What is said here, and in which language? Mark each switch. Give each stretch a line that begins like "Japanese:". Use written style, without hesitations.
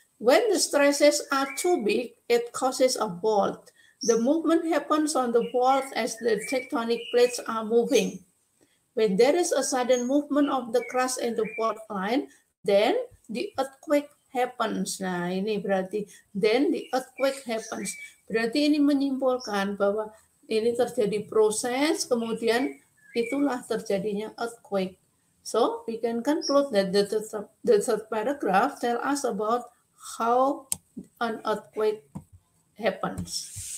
English: When the stresses are too big, it causes a fault. The movement happens on the fault as the tectonic plates are moving. When there is a sudden movement of the crust in the fault line, then the earthquake happens.
Indonesian: Nah, ini berarti
English: then the earthquake happens.
Indonesian: Berarti ini menyimpulkan bahwa ini terjadi proses, kemudian itulah terjadinya earthquake.
English: So, we can conclude that the third paragraph tell us about how an earthquake happens.